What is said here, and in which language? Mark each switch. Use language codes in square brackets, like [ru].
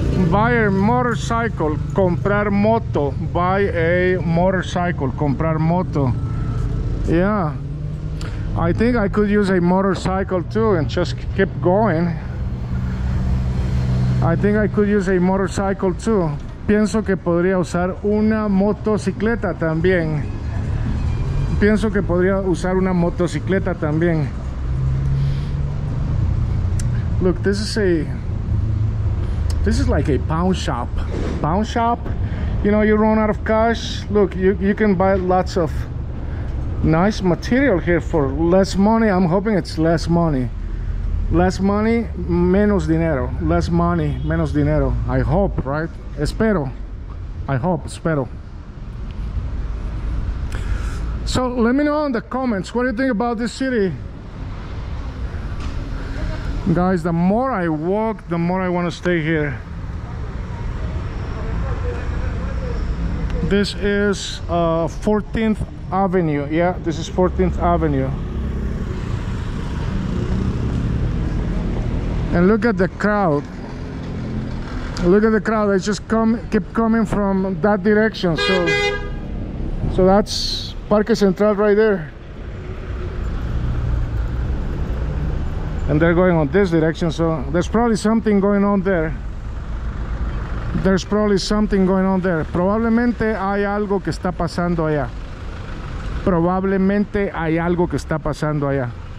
[en] Buy a motorcycle, [es] comprar moto. [en] Buy a motorcycle, comprar moto. Yeah. I think I could use a motorcycle too and just keep going. I think I could use a motorcycle too. [es] Pienso que podría usar una motocicleta también. Pienso que podría usar una motocicleta también. [en] Look, this is like a pawn shop. Pawn shop? You know, you run out of cash. Look, you can buy lots of nice material here for less money. I'm hoping it's less money. Less money, [es] menos dinero. [en] Less money, menos dinero. I hope, right? [es] Espero. [en] I hope, espero. So let me know in the comments, what do you think about this city? Guys, the more I walk, the more I want to stay here. this is 14th Avenue. Yeah, this is 14th Avenue. And look at the crowd. Look at the crowd. They just keep coming from that direction. So that's Parque Central right there. And they're going on this direction. So there's probably something going on there. There's probably something going on there. [es] Probablemente hay algo que está pasando allá. Probablemente hay algo que está pasando allá.